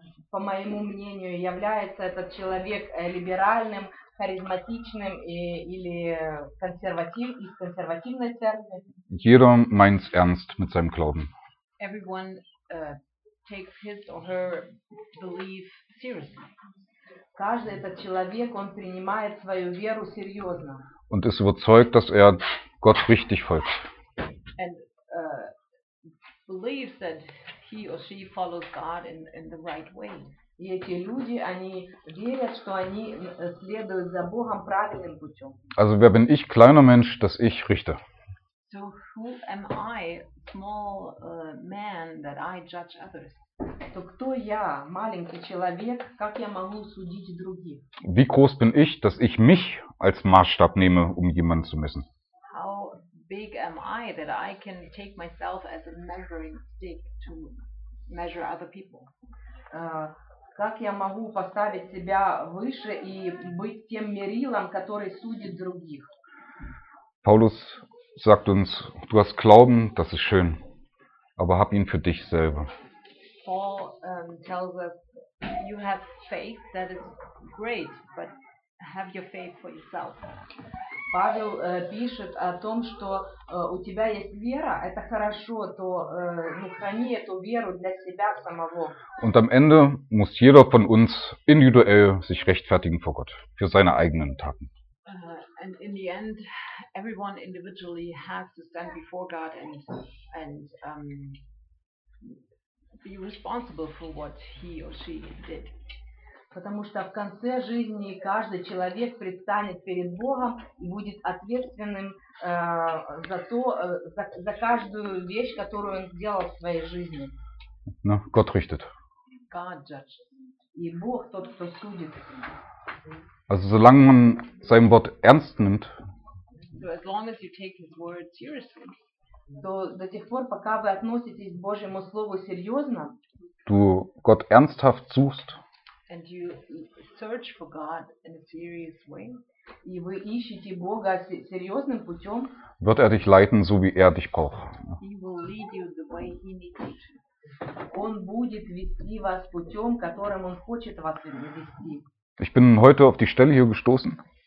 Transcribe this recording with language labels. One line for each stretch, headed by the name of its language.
Russian: по моему мнению, является этот человек либеральным, харизматичным или консерватив из консервативной церкви.
German: Jeder meint's ernst mit seinem Glauben.
English: Everyone takes his or her belief seriously.
Russian: Каждый этот человек, он принимает свою веру серьезно.
German: Und ist überzeugt, dass er Gott richtig folgt.
English: And believes that he or she follows God in the right way.
Russian: И эти люди, они верят, что они следуют за Богом правильным путем.
German: Also wer bin ich, kleiner Mensch, dass ich richte?
English: So who am I, small man, that I judge others?
Russian: То кто я, маленький человек, как я могу судить других?
German: Wie groß bin ich, dass ich mich als Maßstab nehme, um jemanden zu messen?
English: Big am I that I can take myself as a measuring stick to measure other people.
Russian: Как я могу поставить себя выше и быть тем мерилом, который судит других?
German: Paulus sagt uns, du hast Glauben, das ist schön, aber hab ihn für dich selber.
English: Paul tells us, you have faith, that is great, but have your faith for yourself.
Russian: Павел пишет о том, что у тебя есть вера, это хорошо, то ну, храни эту веру для себя самого.
German: Und am Ende muss jeder von uns individuell sich rechtfertigen vor Gott für seine eigenen Taten.
English: And in the end, everyone individually has to stand before God and be responsible for what he or she did.
Russian: Потому что в конце жизни каждый человек предстанет перед Богом и будет ответственным за то, за каждую вещь, которую он сделал в своей жизни.
German: No, Gott richtet.
English: God judges.
Russian: И Бог тот, кто судит.
German: Also, solange man sein Wort ernst nimmt,
English: so as long as you take his word seriously,
Russian: то до тех пор, пока вы относитесь к Божьему Слову серьезно,
German: du Gott ernsthaft suchst,
English: and you search for God in a serious way.
Russian: И вы ищете Бога серьезным путем.
German: Wird er dich leiten, so wie er dich braucht.
English: He will lead you the way he needs you.
Russian: Он будет вести вас путем, которым он хочет вас вести.
German: Ich bin heute auf die Stelle hier gestoßen.